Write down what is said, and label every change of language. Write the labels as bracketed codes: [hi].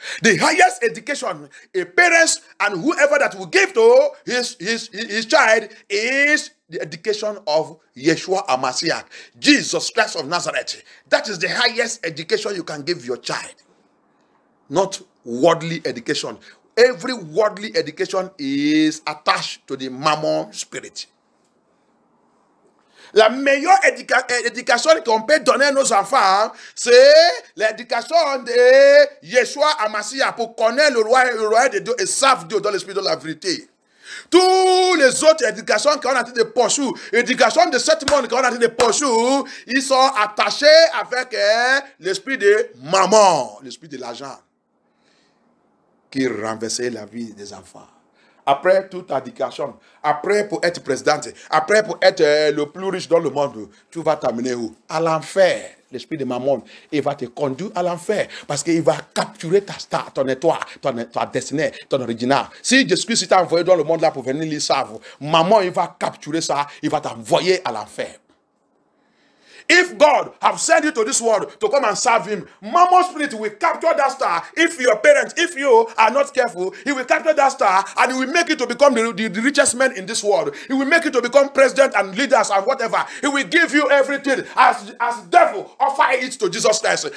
[en] The highest education a parent and whoever that will give to his child is the education of Yeshua HaMashiach, Jesus Christ of Nazareth. That is the highest education you can give your child, not worldly education. Every worldly education is attached to the Mammon spirit. [fr] La meilleure éducation qu'on peut donner à nos enfants, c'est l'éducation de Yeshua HaMashiach pour connaître le roi de Dieu et savoir Dieu dans l'esprit de la vérité. Toutes les autres éducations qu'on a été de poursuivre, éducation de cet monde qu'on a été de poursuivre, ils sont attachés avec l'esprit de Mammon, l'esprit de l'argent, qui renversait la vie des enfants. Après toute éducation, après pour être président, après pour être le plus riche dans le monde, tu vas t'amener où? À l'enfer. L'esprit de Mammon, il va te conduire à l'enfer parce qu'il va capturer ta star, ton étoile, ta destinée, ton original. Si Jésus-Christ t'a envoyé dans le monde là pour venir le savoir, Mammon, il va capturer ça, il va t'envoyer à l'enfer. [en] If God have sent you to this world to come and serve him, Mammon spirit will capture that star. If your parents, if you are not careful, he will capture that star and he will make you to become the richest man in this world. He will make you to become president and leaders and whatever. He will give you everything as devil offer it to Jesus Christ.